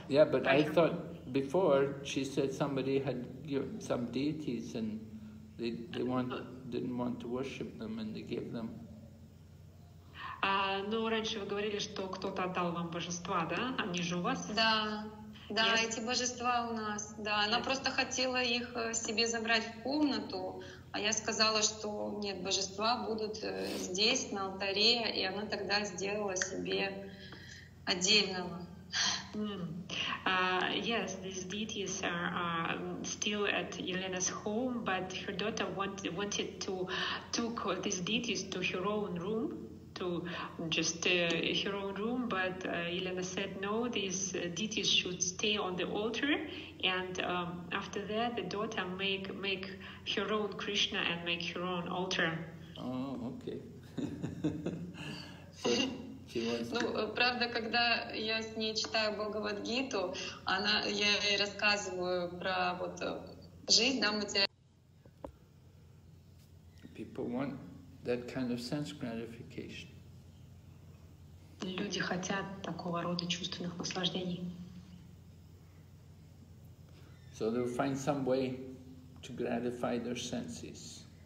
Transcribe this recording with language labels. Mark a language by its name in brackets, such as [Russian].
[English] Yeah, but I thought before she said somebody had given some deities and they didn't want to worship them and they gave them. [Russian] Раньше вы говорили, что кто-то отдал вам божества, да? Они же у вас. Да. Да, [English] yes. [Russian] Эти божества у нас, да, она [English] yes. [Russian] Просто хотела их себе забрать в комнату, а я сказала, что нет, божества будут здесь, на алтаре, и она тогда сделала себе отдельного. [English] Yes, these deities are still at Elena's home, but her daughter wanted to took these deities to her own room. To just her own room, but Elena said no. These deities should stay on the altar, and after that, the daughter make her own Krishna and make her own altar. Oh, okay. So she wants. [Russian] Ну, правда, когда я с ней читаю Бхагавадгиту, она, я ей рассказываю про вот жизнь, да, [English] People want that kind of sense gratification. [Russian] Люди хотят такого рода чувственных наслаждений. [English] So they'll find some way to gratify their senses.